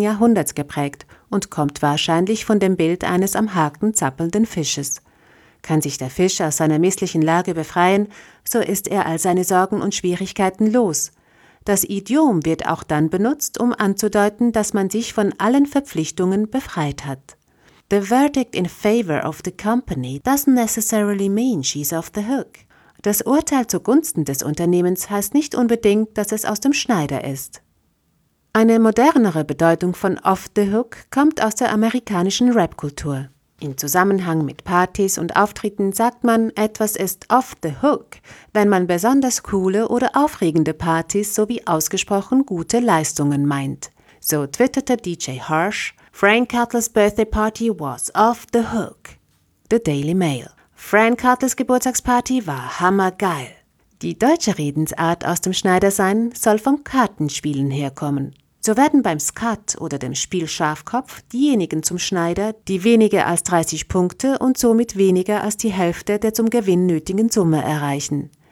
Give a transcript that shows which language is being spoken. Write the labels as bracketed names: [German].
[German] Jahrhunderts geprägt und kommt wahrscheinlich von dem Bild eines am Haken zappelnden Fisches. Kann sich der Fisch aus seiner misslichen Lage befreien, so ist er all seine Sorgen und Schwierigkeiten los. Das Idiom wird auch dann benutzt, um anzudeuten, dass man sich von allen Verpflichtungen befreit hat. [English] The verdict in favor of the company doesn't necessarily mean she's off the hook. [German] Das Urteil zugunsten des Unternehmens heißt nicht unbedingt, dass es aus dem Schneider ist. Eine modernere Bedeutung von off the hook kommt aus der amerikanischen Rap-Kultur. In Zusammenhang mit Partys und Auftritten sagt man, etwas ist off the hook, wenn man besonders coole oder aufregende Partys sowie ausgesprochen gute Leistungen meint. So twitterte [English] DJ Harsh, Frank Cutler's birthday party was off the hook. [German] The Daily Mail. Frank Cutler's Geburtstagsparty war hammergeil. Die deutsche Redensart aus dem Schneidersein soll vom Kartenspielen herkommen. So werden beim Skat oder dem Spiel Schafkopf diejenigen zum Schneider, die weniger als 30 Punkte und somit weniger als die Hälfte der zum Gewinn nötigen Summe erreichen.